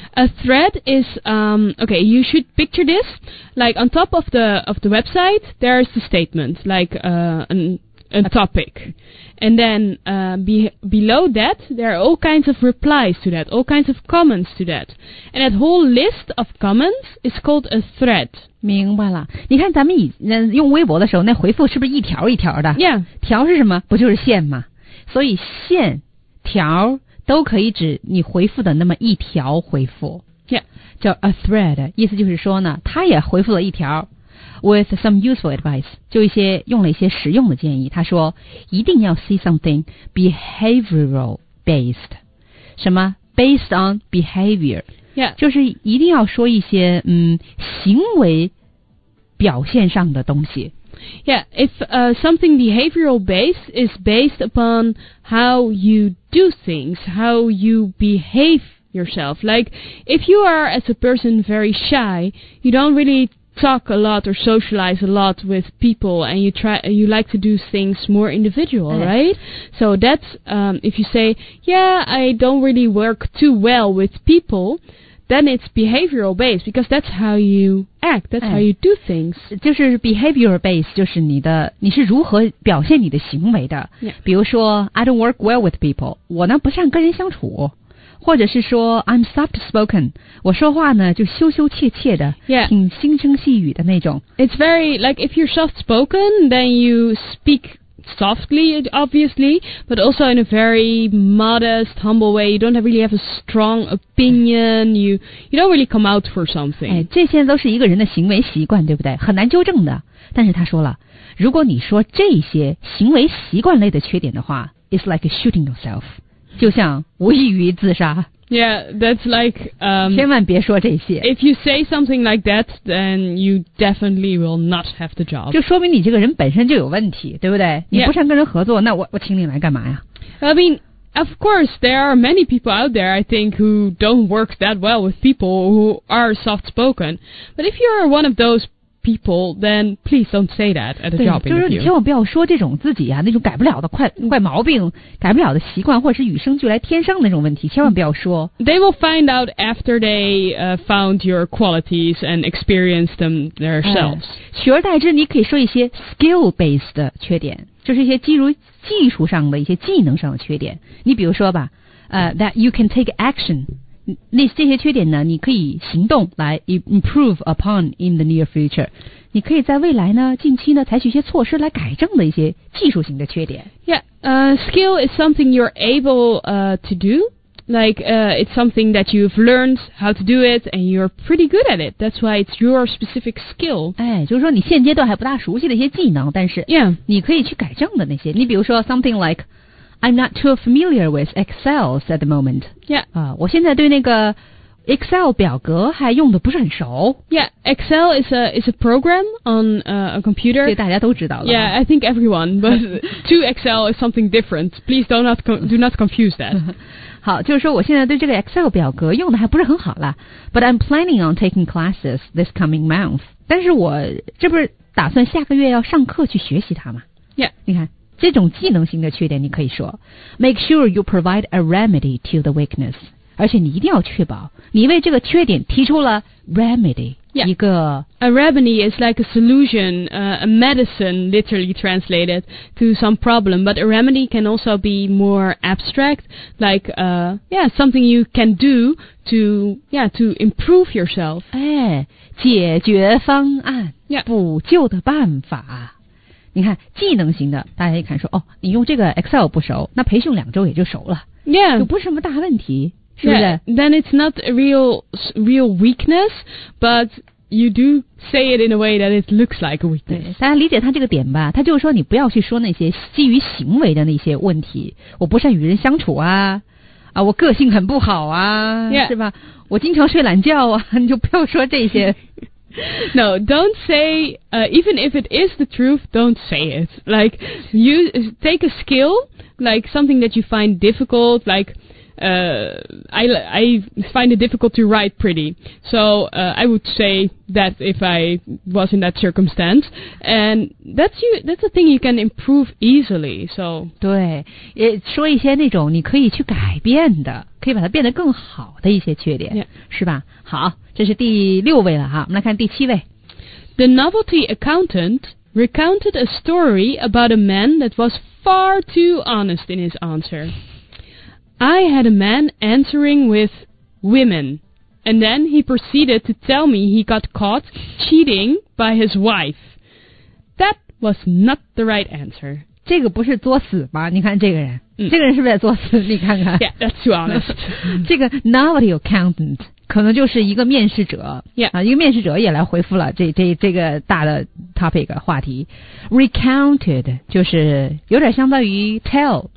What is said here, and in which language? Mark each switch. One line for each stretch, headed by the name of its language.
English: a thread is okay you should picture this like on top of the website there is the statement like a topic and then below that there are all kinds of replies to that all kinds of comments to that and that whole list of comments is called a thread
Chinese: 明白了你看咱们用微博的时候那回复是不是一条一条的
English: Yeah.
Chinese: 条是什么不就是线吗所以线条都可以指你回复的那么一条回复
English: Yeah.
Chinese: 叫 a thread 意思就是说呢他也回复了一条
English: with some useful advice
Chinese: 就一些用了一些实用的建议他说一定要
English: see something behavioral based
Chinese: 什么
English: based on behavior Yeah.
Chinese: 就是一定要说一些行为表现上的东西。
English: Yeah, if something behavioral based is based upon how you do things, how you behave yourself. Like, if you are as a person very shy, you don't really talk a lot or socialize a lot with people and you like to do things more individual, yeah. right? So that's, if you say, yeah, I don't really work too well with people,Then it's behavioral based because that's how you act. That's how you do things.
Chinese: 就是
English: behavioral based
Chinese: 就是你是如何表现你的行为的。
English: Yeah.
Chinese: 比如说
English: I don't work well with people.
Chinese: 我呢不善跟人相处。或者是说
English: I'm soft spoken.
Chinese: 我说话呢就羞羞怯怯的。
English: Yeah.
Chinese: 挺轻声细语的那种。
English: It's very like if you're soft spoken, then you speak. Softly, obviously, but also in a very modest, humble way. You don't really have a strong opinion. You don't really come out for something.
Chinese: 哎，这些都是一个人的行为习惯，对不对？很难纠正的。但是他说了，如果你说这些行为习惯类的缺点的话 ，
English: it's like shooting yourself.
Chinese: 就像无异于自杀。
English: Yeah, that's like,
Chinese: 千万别说这些。
English: If you say something like that, then you definitely will not have the job.
Chinese: 就说明你这个人本身就有问题，对不对？
English: Yeah.
Chinese: 你不善跟人合作，那我请你来干嘛呀？
English: I mean, of course, there are many people out there, I think, who don't work that well with people who are soft-spoken. But if you're one of those people, then please don't say that at a job interview.
Chinese: 就是你千万不要说这种自己啊那种改不了的怪毛病改不了的习惯或者是与生俱来天生那种问题千万不要说。
English: They will find out after they found your qualities and experienced them themselves.
Chinese: 取而代之你可以说一些 skill-based 的缺点就是一些技术上的一些技能上的缺点。你比如说吧
English: that you can take action.
Chinese: 那这些缺点呢你可以行动来
English: improve upon in the near future
Chinese: 你可以在未来呢近期呢采取一些措施来改正的一些技术性的缺点
English: Yeah, skill is something you're able to do Like it's something that you've learned how to do it And you're pretty good at it That's why it's your specific skill
Chinese: 哎，就是说你现阶段还不大熟悉的一些技能但是
English: Yeah
Chinese: 你可以去改正的那些你比如说
English: something likeI'm not too familiar with Excel at the moment. Yeah.
Chinese: 我现在对那个Excel 表格还用的不是很熟。
English: Yeah, Excel is a program on a computer.
Chinese: 对，大家都知道了。
English: Yeah, I think everyone, but to Excel is something different. Please do not confuse that.
Chinese: 好，就是说我现在对这个 Excel 表格用的还不是很好了。
English: But I'm planning on taking classes this coming month.
Chinese: 但是我这不是打算下个月要上课去学习它吗？
English: Yeah.
Chinese: 你看，这种技能型的缺点你可以说
English: Make sure you provide a remedy to the weakness.
Chinese: 而且你一定要确保你为这个缺点提出了 remedy、
English: yeah.
Chinese: 一个
English: A remedy is like a solution, a medicine literally translated to some problem. But a remedy can also be more abstract, like yeah, something you can do to, yeah, to improve yourself.
Chinese: 哎，解决方案、
English: yeah.
Chinese: 补救的办法。你看技能型的大家一看说哦，你用这个 Excel 不熟，那培训两周也就熟了、
English: yeah.
Chinese: 就不是什么大问题。
English: Yeah, then it's not a real weakness, but you do say it in a way that it looks like a weakness.
Chinese: 大家理解他这个点吧，他就是说你不要去说那些基于行为的那些问题，我不善与人相处啊，啊，我个性很不好啊、
English: yeah.
Chinese: 是吧，我经常睡懒觉啊，你就不要说这些。
English: No, don't say, even if it is the truth, don't say it. Like, you take a skill, like something that you find difficult, likeI find it difficult to write pretty. So, I would say that if I was in that circumstance. And that's a thing you can improve easily. So,
Chinese: 对，也说一些那种你可以去改变的，可以把它变得更好的一些缺点、
English: yeah.
Chinese: 是吧？好，这是第六位了哈，我们来看第七位。
English: The novelty accountant recounted a story about a man that was far too honest in his answer. I had a man answering with women, and then he proceeded to tell me he got caught cheating by his wife. That was not the right answer.
Chinese: 这个不是作死吗？你看这个人、这个人是不是在作死？你看看。
English: Yeah, that's too honest.
Chinese: 这个
English: novelty accountant
Chinese: 可能就是一个面试者。
English: Yeah.
Chinese: 啊，一个面试者也来回复了这个大的 topic 话题。 Recounted 就是有点相当于 tell。